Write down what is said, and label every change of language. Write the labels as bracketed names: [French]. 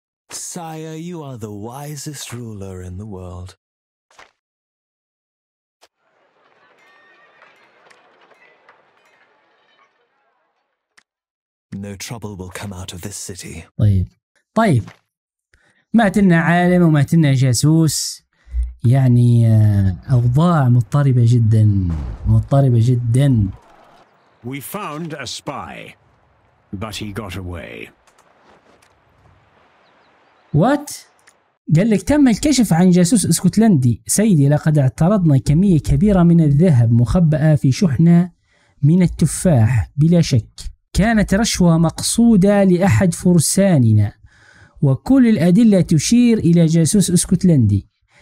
[English] Sire, you are the wisest ruler in the world. No trouble will come out of this city. [Arabic] طيب. طيب. مات لنا عالم ومات لنا جاسوس. يعني أوضاع مضطربة جدا، مضطربة جدا. [English] We found a spy, but he got away. [Arabic] What؟ قال لك تم الكشف عن جاسوس اسكتلندي. سيدي لقد اعترضنا كمية كبيرة من الذهب مخبأة في شحنة من التفاح. بلا شك كانت رشوة مقصودة لأحد فرساننا، وكل الأدلة تشير إلى جاسوس اسكتلندي.